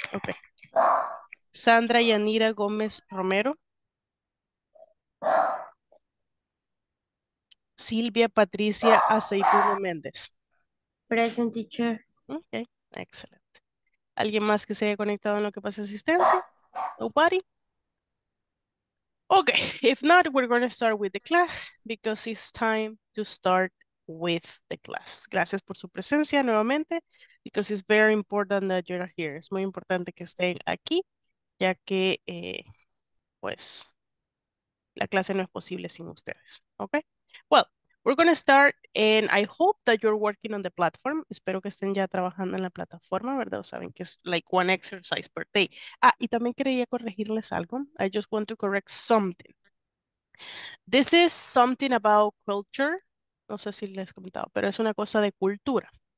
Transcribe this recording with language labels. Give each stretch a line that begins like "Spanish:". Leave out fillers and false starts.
Spanish: Ok. Sandra Yanira Gómez Romero. Silvia Patricia Aceituno Méndez.
English: Present, teacher.
Spanish: Ok, excelente. ¿Alguien más que se haya conectado en lo que pasa asistencia?
English: Nobody. Okay, if not, we're going to start with the class because it's time to start with the class.
Spanish: Gracias por su presencia nuevamente,
English: because it's very important that you're here.
Spanish: Es muy importante que estén aquí, ya que, pues, la clase no es posible sin ustedes.
English: Okay. Well, we're going to start, and I hope that you're working on the platform.
Spanish: Espero que estén ya trabajando en la plataforma, ¿verdad? O saben que es
English: like one exercise per day.
Spanish: Ah, y también quería corregirles algo.
English: I just want to correct something. This is something about culture.
Spanish: No sé si les he comentado, pero es una cosa de cultura.